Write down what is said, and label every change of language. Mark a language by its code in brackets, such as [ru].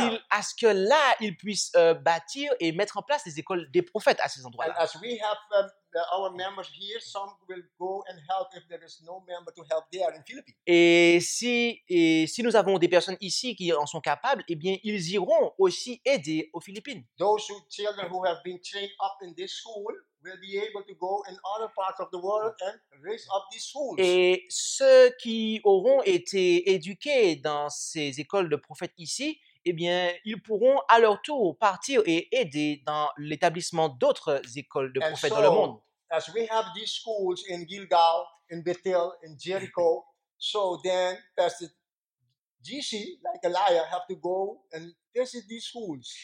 [fr] à ce que là, il puisse bâtir et mettre en place les écoles des prophètes à ces endroits-là. [en] And as we have our members here, some will go and help if there is no member to help there in Philippines. [fr] Et si nous avons des personnes ici qui en sont capables, eh bien, ils iront aussi aider aux Philippines. [en] Those who, children who have been trained up in this school will be able to go in other parts of the world and raise up these schools. [fr] Et ceux qui auront été éduqués dans ces écoles de prophètes ici, eh bien, ils pourront à leur tour partir et aider dans l'établissement d'autres écoles de prophètes dans le monde. [en] As we have these schools in Gilgal, in Bethel, in Jericho, so then Pastor GC, like Elijah, have to go and visit these schools.